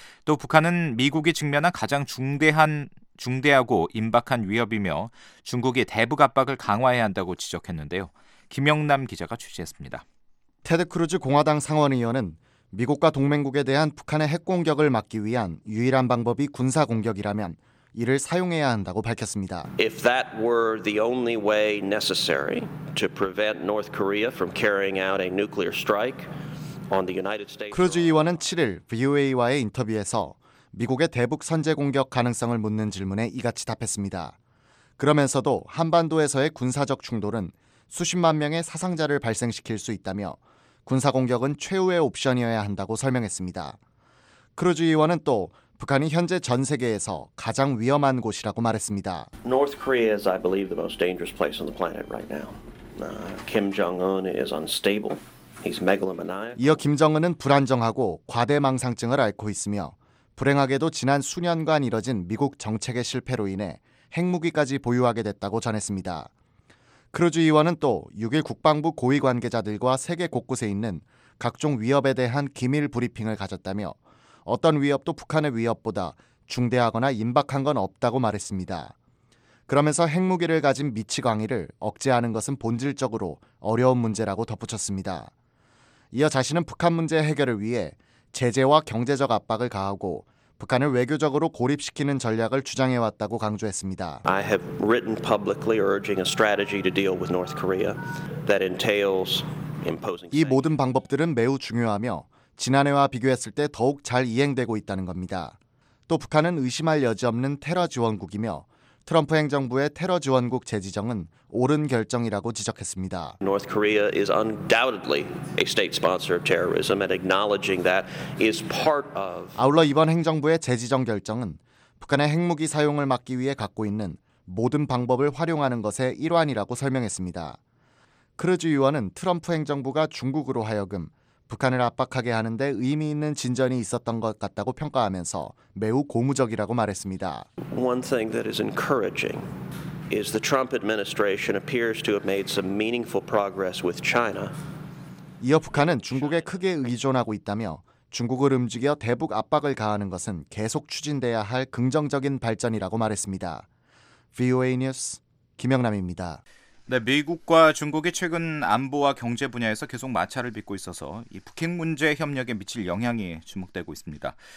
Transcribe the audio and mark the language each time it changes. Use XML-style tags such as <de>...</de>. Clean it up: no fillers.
<ko>또 북한은 미국이 직면한 가장 중대하고 임박한 위협이며 중국이 대북 압박을 강화해야 한다고 지적했는데요. 김영남 기자가 취재했습니다. 테드 크루즈 공화당 상원의원은 미국과 동맹국에 대한 북한의 핵공격을 막기 위한 유일한 방법이 군사공격이라면 이를 사용해야 한다고 밝혔습니다.</ko> <en>If that were the only way necessary to prevent North Korea from carrying out a nuclear strike on the United States.</en> <ko>크루즈 의원은 7일 VOA와의 인터뷰에서 미국의 대북 선제 공격 가능성을 묻는 질문에 이같이 답했습니다. 그러면서도 한반도에서의 군사적 충돌은 수십만 명의 사상자를 발생시킬 수 있다며 군사 공격은 최후의 옵션이어야 한다고 설명했습니다. 크루즈 의원은 또 북한이 현재 전 세계에서 가장 위험한 곳이라고 말했습니다.</ko> <en>North Korea is, I believe, the most dangerous place on the planet right now. Kim Jong-un is unstable. He's megalomaniac.</en> <ko>이어 김정은은 불안정하고 과대망상증을 앓고 있으며 불행하게도 지난 수년간 이뤄진 미국 정책의 실패로 인해 핵무기까지 보유하게 됐다고 전했습니다. 크루즈 의원은 또 6일 국방부 고위 관계자들과 세계 곳곳에 있는 각종 위협에 대한 기밀 브리핑을 가졌다며 어떤 위협도 북한의 위협보다 중대하거나 임박한 건 없다고 말했습니다. 그러면서 핵무기를 가진 미치광이를 억제하는 것은 본질적으로 어려운 문제라고 덧붙였습니다. 이어 자신은 북한 문제 해결을 위해 제재와 경제적 압박을 가하고 북한을 외교적으로 고립시키는 전략을 주장해왔다고 강조했습니다.</ko> <en>I have written publicly urging a strategy to deal with North Korea that entails imposing.</en> <ko>이 모든 방법들은 매우 중요하며 지난해와 비교했을 때 더욱 잘 이행되고 있다는 겁니다. 또 북한은 의심할 여지 없는 테러 지원국이며 트럼프 행정부의 테러 지원국 재지정은 옳은 결정이라고 지적했습니다.</ko> <en>North Korea is undoubtedly a state sponsor of terrorism and acknowledging that is part of.</en> <ko>아울러 이번 행정부의 재지정 결정은 북한의 핵무기 사용을 막기 위해 갖고 있는 모든 방법을 활용하는 것의 일환이라고 설명했습니다. 크루즈 의원은 트럼프 행정부가 중국으로 하여금 북한을 압박하게 하는 데 의미 있는 진전이 있었던 것 같다고 평가하면서 매우 고무적이라고 말했습니다.</ko> <en>One thing that is encouraging is the Trump administration appears to have made some meaningful progress with China.</en> <ko>이어 북한은 중국에 크게 의존하고 있다며 중국을 움직여 대북 압박을 가하는 것은 계속 추진돼야 할 긍정적인 발전이라고 말했습니다. VOA 뉴스 김영남입니다. 네, 미국과 중국이 최근 안보와 경제 분야에서 계속 마찰을 빚고 있어서 이 북핵 문제 협력에 미칠 영향이 주목되고 있습니다.</ko>